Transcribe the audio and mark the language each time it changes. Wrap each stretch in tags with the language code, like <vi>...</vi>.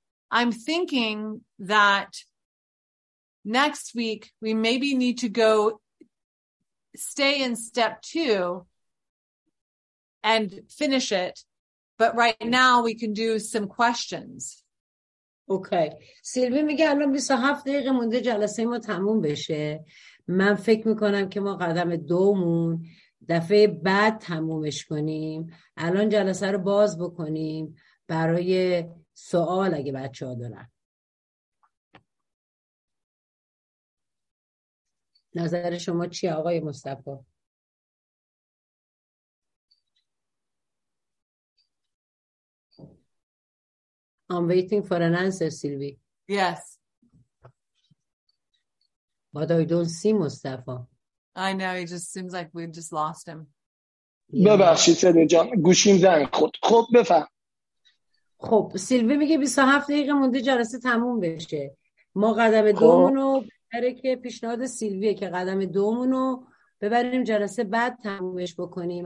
<en>I'm thinking that next week we maybe need to go stay in step 2 and finish it, but right now we can do some questions. Okay.</en> <fa>سیلوی میگه الان 27 دقیقه مونده جلسه ما تموم بشه. من فکر میکنم که ما قدم دومون دفعه بعد تمومش کنیم. الان جلسه رو باز بکنیم برای سوال اگه بچه ها دارن. نظر شما چیه آقای مصطفی؟</fa> <en>I'm waiting for an answer, Sylvie. Yes. But I don't see Mustafa. I know, it just seems like we've just lost him.</en> <fa>ببخشید صدای جان گوشیم زنگ خورد. خب بفهم. خب سیلوی میگه 27 دقیقه مونده جلسه تموم بشه. ما قدم دومونو بره که پیشنهاد سیلویه که قدم دومونو ببریم جلسه بعد تمومش بکنیم.</fa>